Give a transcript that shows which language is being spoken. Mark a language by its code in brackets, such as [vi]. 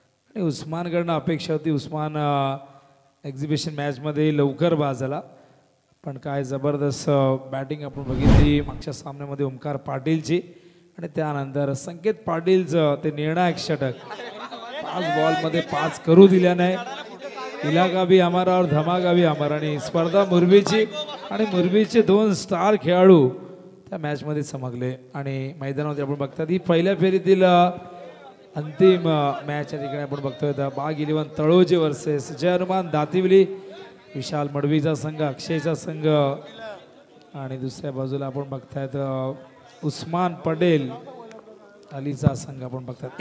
[mr] आणि उस्मानकडनं अपेक्षा होती उस्मान एक्झिबिशन मॅचमध्ये लवकर बाजला, पण काय जबरदस्त बॅटिंग आपण बघितली मागच्या सामन्यामध्ये ओंकार पाटीलची आणि त्यानंतर संकेत पाटीलचं ते निर्णायक षटक. 5 बॉलमध्ये 5 करू दिल्या नाही. [hi] इलाका भी हमारा और धमाका भी हमारा. [mr] आणि स्पर्धा मुरबीची आणि मुरबीचे 2 स्टार खेळाडू त्या मॅचमध्ये समगले आणि मैदानामध्ये आपण बघतात ही पहिल्या फेरीतील अंतिम मॅच आहे. तिकडे आपण बघतोय बाग 11 तळोजे वर्सेस जय हनुमान दातिवली. विशाल मडवीचा संघ, अक्षयचा संघ आणि दुसऱ्या बाजूला आपण बघतायत उस्मान पडेल अलीचा संघ आपण बघतायत.